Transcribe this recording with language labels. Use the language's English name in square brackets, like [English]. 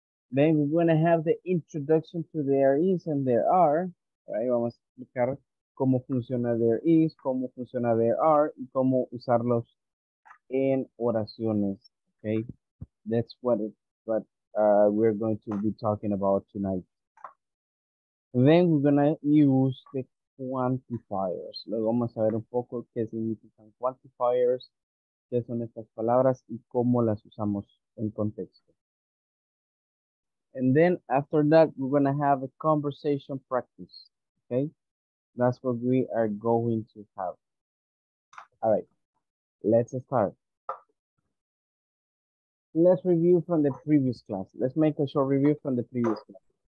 [English] Then we're gonna have the introduction to there is and there are, right? [Spanish] Vamos a explicar cómo funciona there is, cómo funciona there are, y cómo usarlos en oraciones, okay? [English] That's what we're going to be talking about tonight. Then we're gonna use the quantifiers. [Spanish] Luego vamos a ver un poco qué significan quantifiers, qué son estas palabras y cómo las usamos en contexto. [English] And then after that, we're gonna have a conversation practice. Okay, that's what we are going to have. All right, let's start. Let's review from the previous class. Let's make a short review from the previous class.